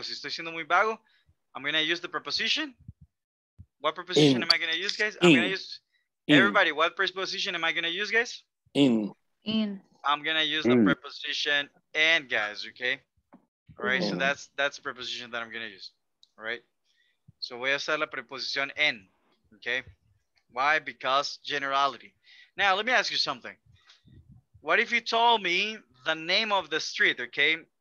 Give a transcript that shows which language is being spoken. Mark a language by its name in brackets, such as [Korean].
[Spanish] Si estoy siendo muy vago, [English] I'm going to use the preposition. What preposition am I going to use, guys? I'm going to use, everybody, what preposition am I going to use, guys? In. I'm going to use the preposition and, guys, okay? All right, so that's the preposition that I'm going to use, all right? [Spanish] So voy a usar la preposición en, okay? [English] Why? Because generality. Now, let me ask you something. What if you told me the name of the street, okay?